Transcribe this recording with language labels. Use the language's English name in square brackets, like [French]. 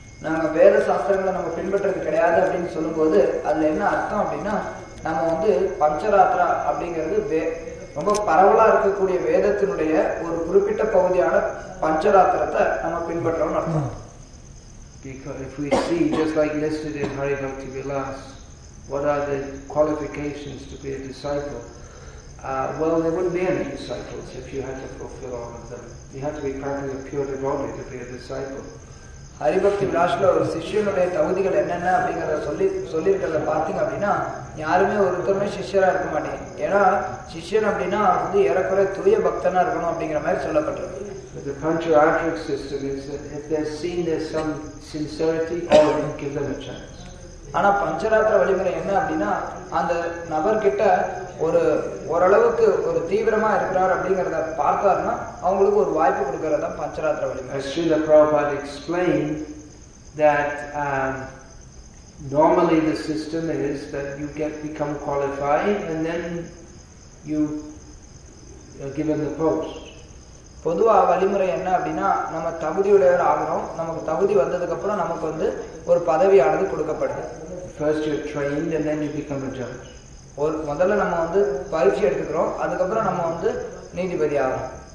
[Tamil] நாம வேத சாஸ்திரங்களை நம்ம பின்பற்றது கிடையாது அப்படின்னு சொல்லும்போது அதுல என்ன அர்த்தம் அப்படின்னா, நம்ம வந்து பஞ்சராத்திரா அப்படிங்கிறது ரொம்ப பரவலாக இருக்கக்கூடிய வேதத்தினுடைய ஒரு குறிப்பிட்ட பகுதியான பஞ்சராத்திரத்தை நம்ம பின்பற்றோம்னு அர்த்தம். [English] Because if we see just like listed in Hari Bhakti Vilas, what are the qualifications to be a disciple? Well, there wouldn't be any disciples if you had to fulfill all of them. You have to be practically a pure devotee to be a disciple. [Tamil] Hari Bhakti Vilasla ஒரு சிஷ்யனுடைய தகுதிகள் என்னென்ன அப்படிங்கறத சொல்லியிருக்கிறத பார்த்தீங்க அப்படின்னா, யாருமே ஒருத்தருமே சிஷ்யரா இருக்க மாட்டேன். ஏன்னா சிஷ்யன் அப்படின்னா வந்து ஏறக்குறைய தூய பக்தனா இருக்கணும் அப்படிங்கிற மாதிரி சொல்லப்பட்டிருக்கு. [English] The Pancharatric system is that if they've seen there's some sincerity, all of them give them a chance. [Tamil] ஆனா பஞ்சராத்திர வழிமுறை என்ன அப்படின்னா, அந்த நபர்கிட்ட ஒரு ஓரளவுக்கு ஒரு தீவிரமா இருக்கிறார் அப்படிங்கறத பார்த்தாருன்னா அவங்களுக்கு ஒரு வாய்ப்பு கொடுக்கறத பஞ்சராத்திர வழிமுறை. [English] Normally the system is that you get become qualified and then you are given the post. [Tamil] பொதுவா வழிமுறை என்ன அப்படின்னா நம்ம தகுதியுடையவர் ஆகிறோம், நமக்கு தகுதி வந்ததுக்கு அப்புறம் நமக்கு வந்து ஒரு பதவியானது கொடுக்கப்படுது. [English] First you are trained and then you become a judge. [Tamil] ஒரு முதல்ல நம்ம வந்து பயிற்சி எடுத்துக்கிறோம், அதுக்கப்புறம் நம்ம வந்து நீதிபதி ஆகும்.